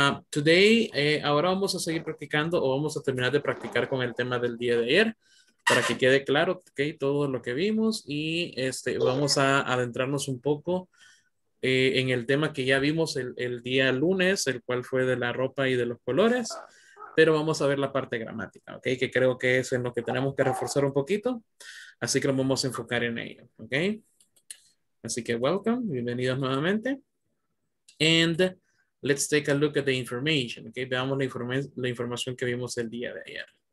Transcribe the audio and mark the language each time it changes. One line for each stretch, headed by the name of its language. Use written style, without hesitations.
Spanish: Today, ahora vamos a seguir practicando o vamos a terminar de practicar con el tema del día de ayer para que quede claro, okay, todo lo que vimos y vamos a adentrarnos un poco en el tema que ya vimos el día lunes, el cual fue de la ropa y de los colores, pero vamos a ver la parte gramática, okay, que creo que es en lo que tenemos que reforzar un poquito. Así que nos vamos a enfocar en ello, okay. Así que welcome, bienvenidos nuevamente.
English: And let's take a look at the information. Okay?
Spanish: Veamos la información que vimos el día de ayer.